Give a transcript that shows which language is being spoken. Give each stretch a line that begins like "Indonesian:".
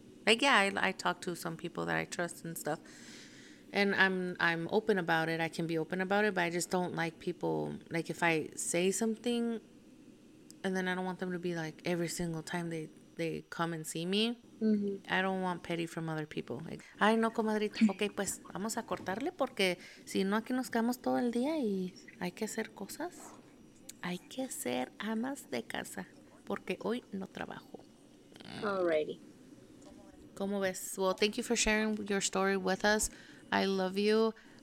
English: Like, yeah, I talk to some people that I trust and stuff. And I'm open about it. I can be open about it, but I just don't like people. Like if I say something, and then I don't want them to be like every single time they come and see me. I don't want petty from other people. Like,
Spanish: ay no, comadrita. Okay, pues vamos a cortarle porque si no aquí nos quedamos todo el día y hay que hacer cosas. Hay que ser amas de casa porque hoy no trabajo.
English: Alrighty.
Spanish: ¿Cómo ves?
English: Well, thank you for sharing your story with us. I love you.